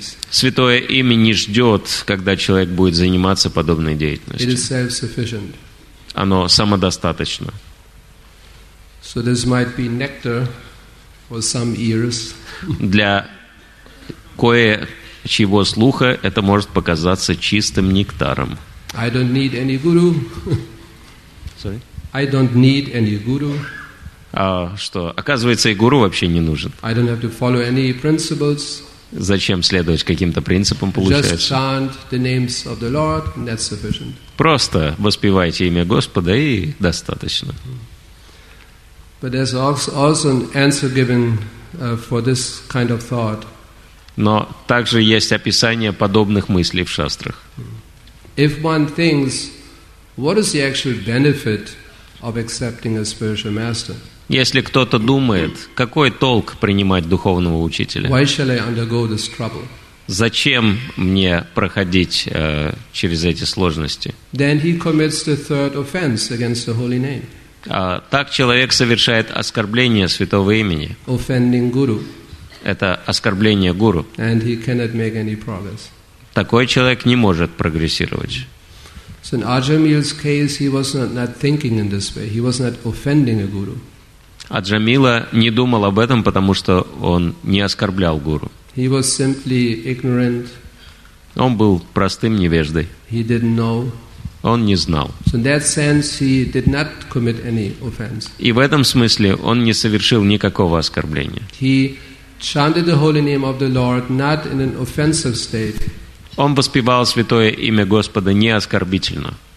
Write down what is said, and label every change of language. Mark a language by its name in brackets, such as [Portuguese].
[Russian] Святое имя не ждет, когда человек будет заниматься подобной деятельностью. Оно самодостаточно. [English] So this might be nectar for some ears. [Russian] Для кое-чего слуха это может показаться чистым нектаром. [English] I don't need any guru. Sorry. I don't need any guru. [Russian] А что? Оказывается, и гуру вообще не нужен. [English] I don't have to follow any principles. [Russian] Зачем следовать каким-то принципам, получается? [English] Just chant the names of the Lord, and that's sufficient. [Russian] Просто воспевайте имя Господа, и достаточно. [English] But there's also an answer given for this kind of thought. [Russian] Но также есть описание подобных мыслей в шастрах. [English] If one thinks, what is the actual benefit of accepting a spiritual master? [Russian] Если кто-то думает, какой толк принимать духовного учителя? [English] Why shall I undergo this trouble? [Russian] Зачем мне проходить через эти сложности? [English] Then he commits the third offense against the holy name. [Russian] Так человек совершает оскорбление святого имени. [English] Offending guru. [Russian] Это оскорбление гуру. [English] And he cannot make any progress. [Russian] Такой человек не может прогрессировать. [English] So in Ajamil's case, he was not thinking in this way. He was not offending a guru. [Russian] Аджамила не думал об этом, потому что он не оскорблял гуру. [English] He was simply ignorant. [Russian] Он был простым невеждой. [English] He didn't know. [Russian] Он не знал. [English] So in that sense, he did not commit any offense. [Russian] И в этом смысле он не совершил никакого оскорбления. [English] He chanted the holy name of the Lord not in an offensive state. [Russian] Он воспевал святое имя Господа не оскорбительно.